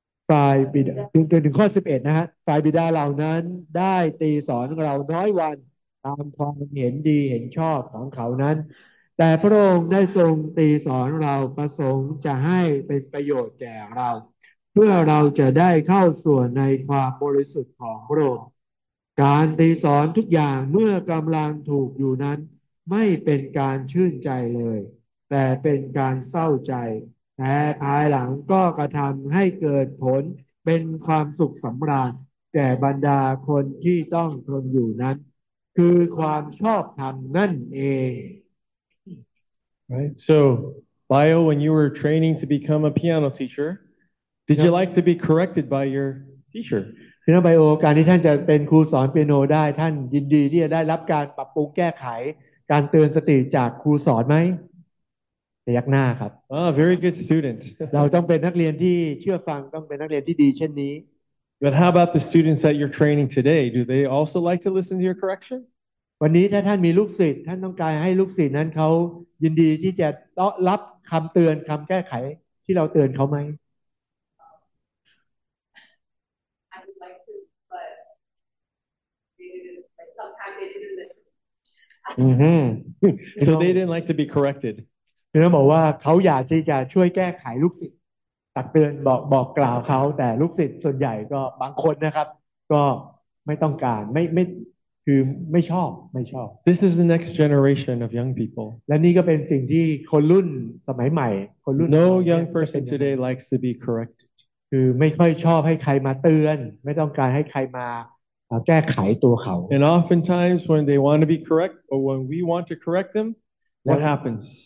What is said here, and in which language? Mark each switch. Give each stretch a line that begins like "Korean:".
Thai: ฝ่ายบิดาถึงข้อ11นะฮะฝ่ายบิดาเหล่านั้นได้ตีสอนเราน้อยวันตามความเห็นดีเห็นชอบของเขานั้นแต่พระองค์ได้ทรงตรีสอนเราประสงค์จะให้เป็นประโยชน์แก่เราเพื่อเราจะได้เข้าส่วนในความบริสุทธิ์ของพระองค์การตรีสอนทุกอย่างเมื่อกำลังถูกอยู่นั้นไม่เป็นการชื่นใจเลยแต่เป็นการเศร้าใจเ แต่ภายหลังก็กระทำให้เกิดผลเป็นความสุขสำราญแก่บรรดาคนที่ต้องทนอยู่นั้นคือความชอบธรรมนั่นเอง
English: Right. So, Bio, when you were training to become a piano teacher, did you like to be corrected by your teacher?
Thai: คือนะไบโอการที่ท่านจะเป็นครูสอนเปียโนได้ท่านยินดีที่จะได้รับการปรับปรุงแก้ไขการเตือนสติจากครูสอนไหมยักหน้าครับ
English: very good student.
Thai: เราต้องเป็นนักเรียนที่เชื่อฟังต้องเป็นนักเรียนที่ดีเช่นนี้
English: But how about the students that you're training today? Do they also like to listen to your correction?
Thai: วันนี้ถ้าท่านมีลูกศิษย์ท่านต้องการให้ลูกศิษย์นั้นเขายินดีที่จะรับคำเตือนคำแก้ไขที่เราเตือนเขาไหม
English: I would like to but sometimes they didn't listen. So they didn't like to be corrected.
Thai: คือเขาบอกว่าเขาอยากที่จะช่วยแก้ไขลูกศิษย์ตักเตือนบอกกล่าวเขาแต่ลูกศิษย์ส่วนใหญ่ก็บางคนนะครับก็ไม่ต้องการไม่คือไม่ชอบ
English: This is the next generation of young people
Thai: และนี่ก็เป็นสิ่งที่คนรุ่นสมัยใหม่คนรุ่น
English: No young person today likes to be corrected
Thai: คือไม่ค่อยชอบให้ใครมาเตือนไม่ต้องการให้ใครมาแก้ไขตัวเขา
English: And oftentimes when they want to be correct or when we want to correct them what happens